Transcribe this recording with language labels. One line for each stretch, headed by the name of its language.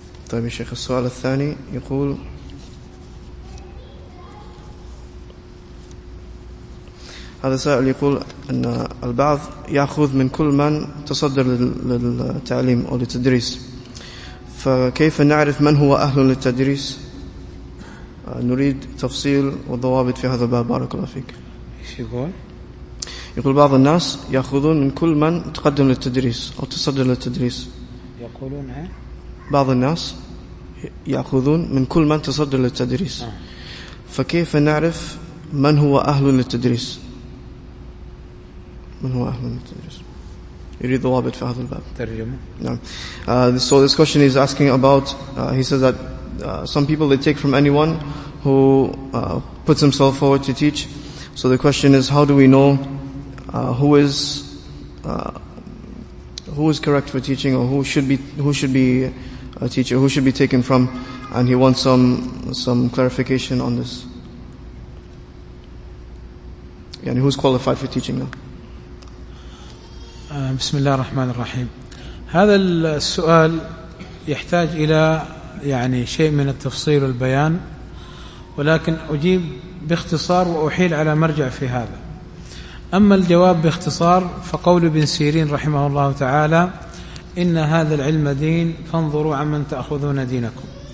Arabic: طيب الشيخ السؤال الثاني يقول هذا سائل يقول أن البعض يأخذ من كل من تصدر للتعليم أو للتدريس فكيف نعرف من هو أهل للتدريس نريد تفصيل وضوابط في هذا الباب بارك الله فيك يقول بعض الناس يأخذون من كل من تقدم للتدريس أو تصدر للتدريس يقولون بعض الناس يأخذون من كل من تصدر للتدريس فكيف نعرف من هو أهل للتدريس من هو أهل للتدريس يريد ضوابط في هذا الباب ترجمة نعم.
English: So this question is asking about he says that some people they take from anyone who puts himself forward to teach. So the question is, how do we know who is correct for teaching, or who should be a teacher, who should be taken from? And he wants some clarification on this. Yani, who's qualified for teaching now?
Arabic: بسم الله الرحمن الرحيم. هذا السؤال يحتاج إلى يعني شيء من التفصيل والبيان، ولكن أجيب باختصار وأحيل على مرجع في هذا. أما الجواب باختصار فقول ابن سيرين رحمه الله تعالى: إن هذا العلم دين فانظروا عمن تأخذون دينكم.